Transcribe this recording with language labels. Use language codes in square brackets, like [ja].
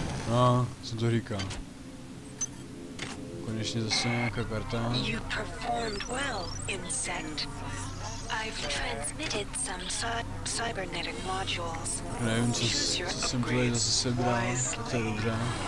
[cs] No, co to říká? Konečně zase nějaká karta. [en] You performed well, insect. I've transmitted some cybernetic modules. [cs] Nevím, co jsem tady zase sebral, to je dobře.